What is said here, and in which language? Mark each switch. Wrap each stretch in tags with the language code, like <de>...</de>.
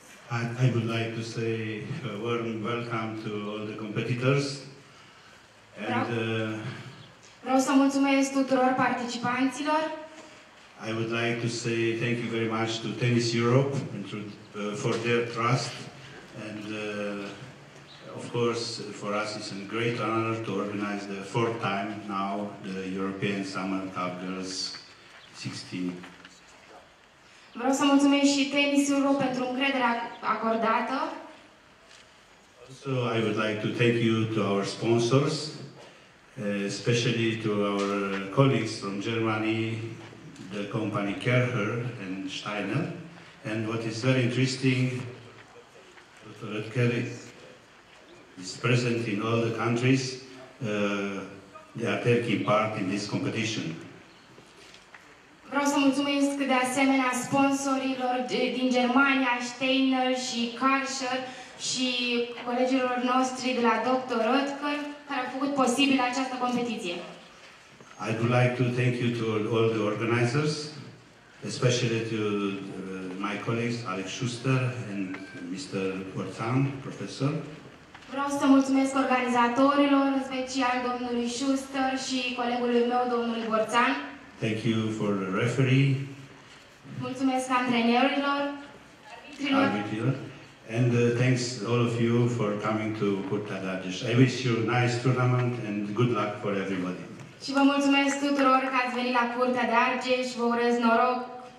<en>I would like to say a warm welcome to all the competitors. And</en> <ro>vreau să mulțumesc tuturor participanților.</ro> <en>I would like to say thank you very much to Tennis Europe and for their trust. And of course, for us it's a great honor to organize the fourth time now the European Summer Cup Girls 16.</en> <ro>Vreau să mulțumesc și Tennis Europe pentru încrederea acordată.</ro> <en>Also, I would like to thank you to our sponsors, especially to our colleagues from Germany, the company Kärcher and Steiner. And what is very interesting, Dr. Oetker is present in all the countries. They are taking part in this competition.</en> <ro>Vreau să mulțumesc de asemenea sponsorilor din Germania, Steiner și Kärcher și colegilor noștri de la Dr. Oetker care au făcut posibil această competiție.</ro> <en>I would like to thank you to all the organizers, especially to my colleagues Alex Schuster and Mr. Portan, professor.</en> <ro>Vreau să mulțumesc organizatorilor, în special domnului Schuster și colegului meu, domnul Borțan.</ro> <en>Thank you for the referee.</en> <ro>Mulțumesc antrenorilor, arbitrilor.</ro> <en>And thanks all of you for coming to Curtea Dargeș. I wish you a nice tournament and good luck for everybody.</en> <ro>Și vă mulțumesc tuturor că ați venit la Curtea Dargeș. Vă urez noroc.</ro>